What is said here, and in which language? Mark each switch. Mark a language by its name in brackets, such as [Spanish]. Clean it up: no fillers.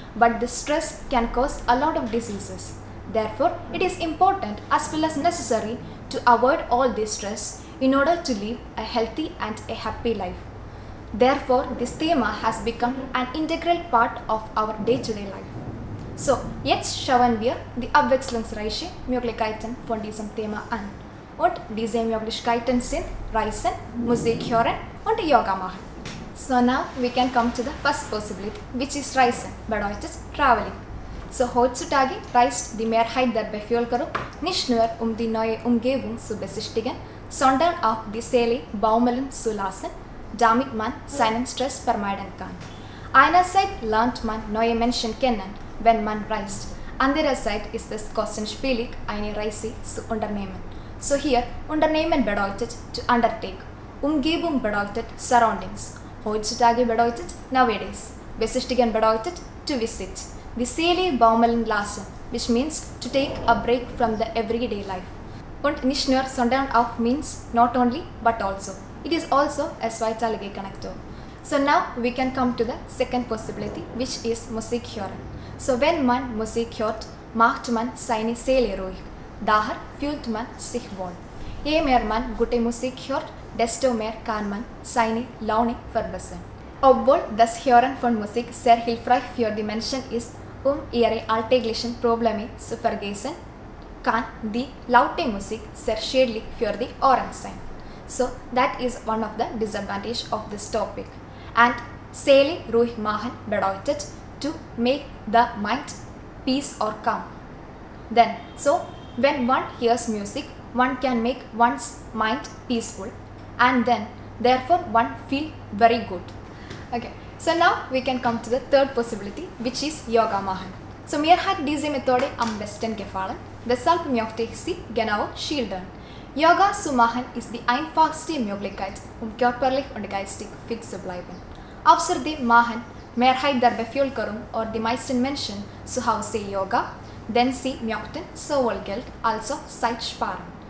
[English] But the stress can cause a lot of diseases. Therefore, it is important as well as necessary to avoid all this stress in order to live a healthy and a happy life. Therefore, this thema has become an integral part of our day-to-day life. [German] So, jetzt schauen wir die Abwechslungsreiche Möglichkeiten von diesem Thema an. Und diese Möglichkeiten sind Reisen, Musik hören und Yoga machen. [English] So now we can come to the first possibility, which is [German] Reisen, bedeutet [English] traveling. [German] So heutzutage reist die Mehrheit der Bevölkerung nicht nur die neue Umgebung zu besichtigen, sondern auch die Seele baumeln zu lassen, damit man seinen Stress vermeiden kann. Einerseits lernt man neue Menschen kennen, wenn man reist. Andererseits ist es kostenspielig, eine Reise zu unternehmen. So hier, unternehmen bedeutet [English] to undertake. [German] Umgebung bedeutet surroundings. Heutzutage bedeutet nowadays. Besichtigen bedeutet [English] to visit. [German] Die Seele baumeln lassen, [English] which means to take a break from the everyday life. [German] Und nicht nur, sondern auch [English] means not only, but also. It is also a zweiteilige Connector. So now we can come to the second possibility, which is Musik hören. [German] So wenn man Musik hört, macht man seine Seele ruhig. Daher fühlt man sich wohl. Je mehr man gute Musik hört, desto mehr kann man seine Laune verbessern. Obwohl das Hören von Musik sehr hilfreich für die Menschen ist, ihre alltäglichen Probleme zu vergessen, kann die laute Musik sehr schädlich für die Ohren sein. [English] So, that is one of the disadvantages of this topic. And [German] Seele ruhig machen bedeutet [English] to make the mind peace or calm. Then, so when one hears music, one can make one's mind peaceful and then therefore one feel very good. Okay, so now we can come to the third possibility, which is Yoga Machen. [German] So, Mehrheit diese Methode am besten gefallen, deshalb möchte ich sie genauer schildern. Yoga zu machen ist die einfachste Möglichkeit, körperlich und geistig fit zu bleiben. Außerdem machen Mehrheit der Bevölkerung oder die meisten Menschen zu Hause Yoga, denn sie möchten sowohl Geld als auch Zeit sparen.